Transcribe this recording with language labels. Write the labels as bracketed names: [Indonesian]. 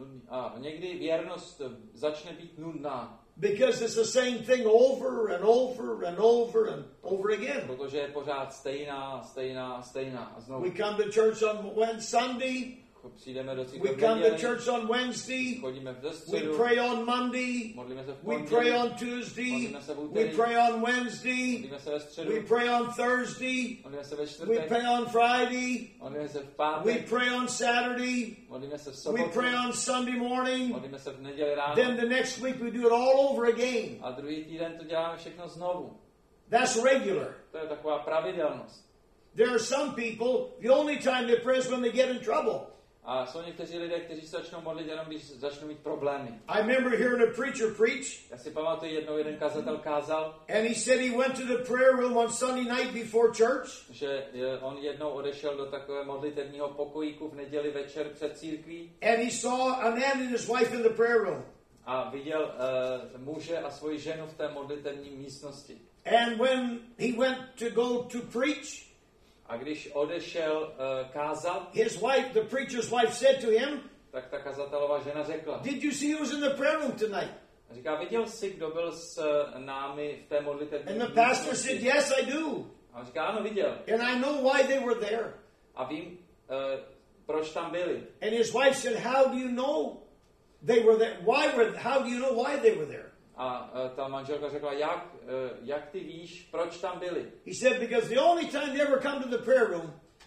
[Czech] A někdy věrnost začne být nudná. [English] Because it's the same thing over and over and over and over again. [Czech] Protože je pořád stejná, stejná, stejná. Znovu. [English] We come to church on Wednesday. Sunday. [Czech] Přijdeme do [English] církve. We come to church on Wednesday. [Czech] Chodíme v [English] We pray on Monday. [Czech] Modlíme se v pondělí. [English] We pray on Tuesday. We pray on Wednesday. [Czech] Modlíme se ve středu. [English] We pray on Thursday. [Czech] Modlíme se ve čtvrtek. [English] We pray on Friday. [Czech] Modlíme se v pátek. [English] We pray on Saturday. [Czech] Modlíme se v sobotu. [English] We pray on Sunday morning. [Czech] Modlíme se v neděli ráno. [English] Then the next week we do it all over again. [Czech] A druhý týden to děláme všechno znovu. [English] That's regular. [Czech] To je taková pravidelnost. [English] There are some people, the only time they pray is when they get in trouble. [Czech] A jsou někteří lidé, kteří se začnou modlit, jenom když začnou mít problémy. [English] I remember hearing a preacher preach. [Czech] Já si pamatuju jednou, jeden kazatel kázal. [English] And he said he went to the prayer room on Sunday night before church. [Czech] Že on jednou odešel do takové modlitevního pokojíku v neděli večer před církví. [English] And he saw a man and his wife in the prayer room. [Czech] A viděl muže a svoji ženu v té modlitevní místnosti. [English] And when he went to go to preach. [Czech] A když odešel kázat, [English] his wife, the preacher's wife, said to him, [Czech] tak ta kazatelová žena řekla, [English] did you see who's in the prayer room tonight? [Czech] Říká, viděl jsi, kdo byl s námi v té modlitevní? [English] And the pastor said, yes, I do. [Czech] A říká, ano, viděl. [English] And I know why they were there. [Czech] A vím, proč tam byli. [English] And his wife said, how do you know they were there? Why were? How do you know why they were there? [Czech] A ta manželka řekla, jak ty víš, proč tam byli? [English] He said, because the only time they ever come to the prayer room.